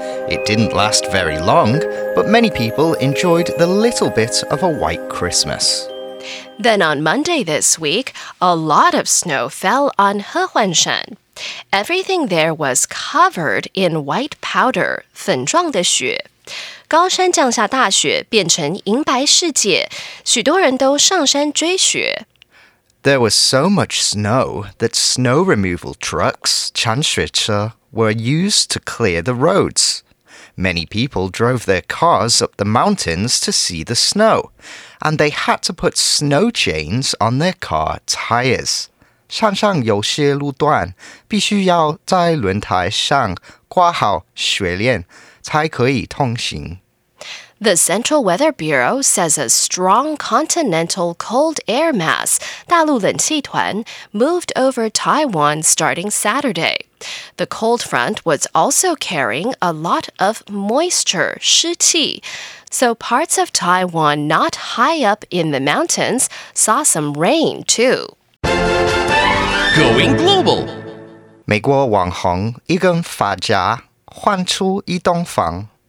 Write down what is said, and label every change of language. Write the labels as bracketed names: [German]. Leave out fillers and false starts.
[English] It didn't last very long, but many people enjoyed the little bit of a white Christmas. Then on Monday this week, a lot of snow fell on Hehuanshan. Everything there was covered in white powder, [Chinese] 粉状的雪。高山降下大雪变成银白世界，许多人都上山追雪。 [English] There was so much snow that snow removal trucks, [Chinese] 铲雪车, [English] were used to clear the roads. Many people drove their cars up the mountains to see the snow, and they had to put snow chains on their car tires. [Chinese] 山上有些路段必须要在轮胎上挂好雪链才可以通行。 [English] The Central Weather Bureau says a strong continental cold air mass, [Chinese] 大陆冷气团, [English] moved over Taiwan starting Saturday. The cold front was also carrying a lot of moisture, [Chinese] 湿气, [English] so parts of Taiwan not high up in the mountains saw some rain too. Going global. [Chinese] 美国网红一根发夹换出一栋房。